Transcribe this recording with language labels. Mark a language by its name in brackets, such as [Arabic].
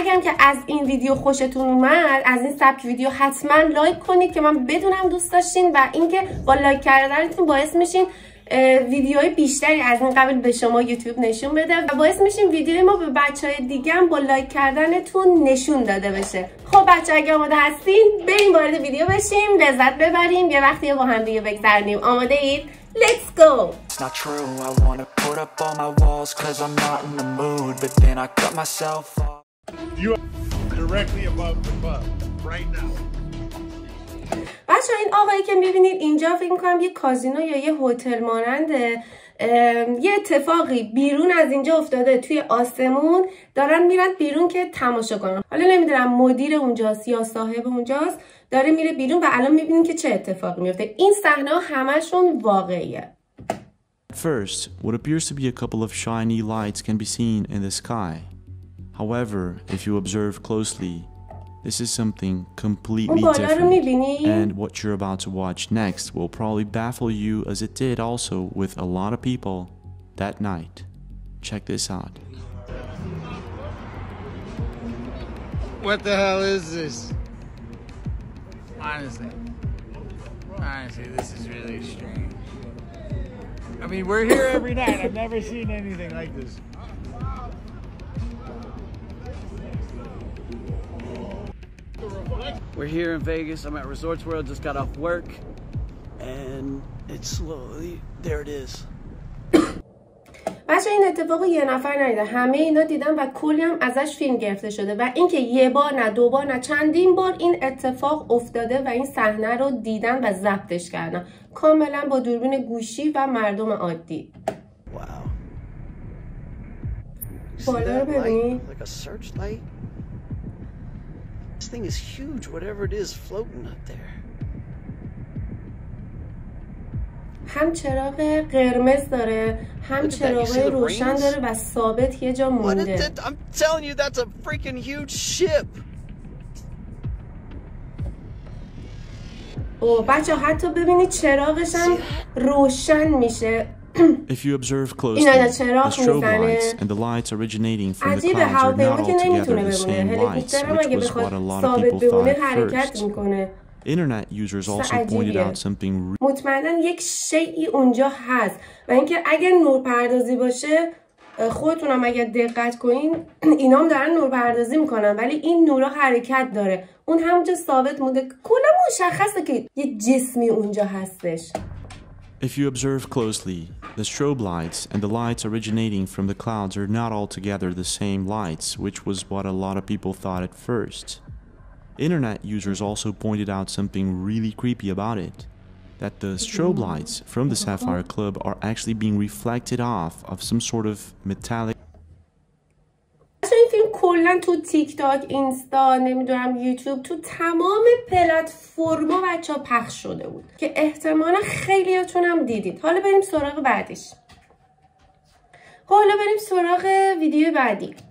[Persian] اگر که از این ویدیو خوشتون اومد، از این سبک ویدیو، حتما لایک کنید که من بدونم دوست داشتین، و اینکه با لایک کردنتون باعث میشین ویدیوهای بیشتری از این قبل به شما یوتیوب نشون بده، و باعث میشین ویدیو ما به بچهای دیگه هم با لایک کردنتون نشون داده بشه. خب بچه اگه آماده هستین بریم وارد ویدیو بشیم، لذت ببریم، یه وقتی با هم دیگه بگذرونیم. آماده اید؟ [English] Let's go. It's not true. I wanna put up all my walls cuz I'm not in the mood, but then I cut myself off. You are directly above the bump right now. [Persian] بچه این آقایی که میبینید اینجا، فکر میکنم یه کازینو یا یه هتل ماننده، یه اتفاقی بیرون از اینجا افتاده توی آسمون، دارن میرن بیرون که تماشا کنن. حالا نمیدونم مدیر اونجاست یا صاحب اونجاست، داره میره بیرون و الان میبینید که چه اتفاقی میفته. این صحنه همشون واقعیه. [English] First, what appears to be a couple of shiny lights can be seen in the sky. However, if you observe closely, this is something completely different, and what you're about to watch next will probably baffle you as it did also with a lot of people that night. Check this out. What the hell is this? Honestly, this is really strange. I mean, we're here every night. I've never seen anything like this. We're here in Vegas. I'm at Resorts World. Just got off work, and it's slowly there. It is. [Persian] بچه این اتفاقو یه نفر ندیده، همه اینا دیدن و کلی هم ازش فیلم گرفته شده، و اینکه یه بار نه دو بار نه چندین بار این اتفاق افتاده و این صحنه رو دیدن و ضبطش کردن کاملا با دوربین گوشی و مردم عادی. واو. بالا ببینید. [English] This thing is huge, whatever it is floating up there. [Persian] هم چراغ قرمز داره هم چراغ روشن داره و ثابت یه جا مونده. [English] I'm telling you that's a freaking huge ship. [Persian] او بچه حتی ببینید چراغش هم روشن میشه. [English] If you observe closely, the strobe lights and the lights originating from the clouds are not all together the same lights, which was what a lot of people thought at first. Internet users also pointed out something real. [Persian] مطمئنن یک شیئی اونجا هست و اینکه اگر نورپردازی باشه خودتونم اگر دقت کنین اینا هم دارن نورپردازی میکنن ولی این نورا حرکت داره. اون همونجا ثابت مونده. کلا مشخصه که یه جسمی اونجا هستش. [English] If you observe closely, the strobe lights and the lights originating from the clouds are not altogether the same lights, which was what a lot of people thought at first. Internet users also pointed out something really creepy about it, that the strobe lights from the Sapphire Club are actually being reflected off of some sort of metallic. [Persian] کلن تو تیک تاک، اینستا، نمیدونم یوتیوب، تو تمام پلتفرما بچه ها پخش شده بود که احتمالا خیلیاتون هم دیدید. حالا بریم سراغ بعدیش. حالا بریم سراغ ویدیو بعدی.